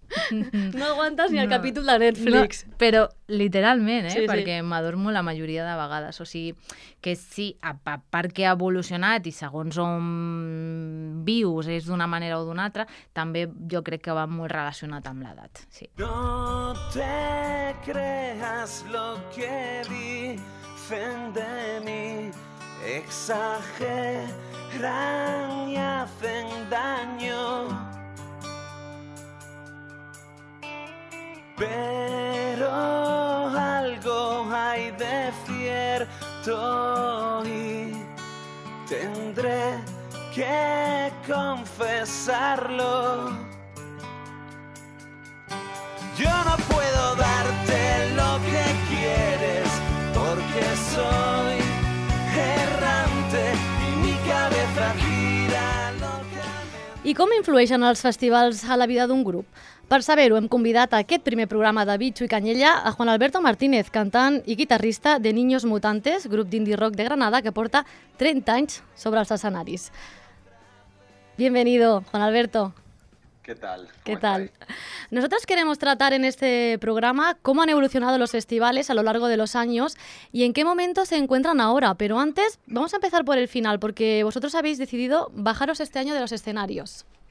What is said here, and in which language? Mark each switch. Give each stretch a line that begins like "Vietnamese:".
Catalan: No aguantes ni el capítol de Netflix. No, però literalment, sí, perquè sí. M'adormo la majoria de vegades. O sigui, que sí, a part que ha evolucionat i segons on vius és d'una manera o d'una altra, també jo crec que va molt relacionat amb l'edat. Sí.
Spanish: No te creas lo que dicen de mí, exageran y hacen daño. Pero algo hay de cierto y tendré que confesarlo. Yo no puedo darte lo que quieres porque soy errante y mi cabeza gira lo que me... ¿Y cómo influyen los festivals a la vida de un grupo?
Catalan: Per saber-ho, hem convidat a aquest primer programa de Bitxo i Canyella a Juan Alberto Martínez, cantant i guitarrista de Niños Mutantes, grup d'indie rock de Granada que porta 30 anys sobre els escenaris.
Spanish: Bienvenido, Juan Alberto. ¿Qué tal? ¿Qué tal? Nosotros queremos tratar en este programa cómo han evolucionado los festivales a lo largo de los años y en qué momento se encuentran ahora. Pero antes, vamos a empezar por el final, porque vosotros habéis decidido bajaros este año de los escenarios.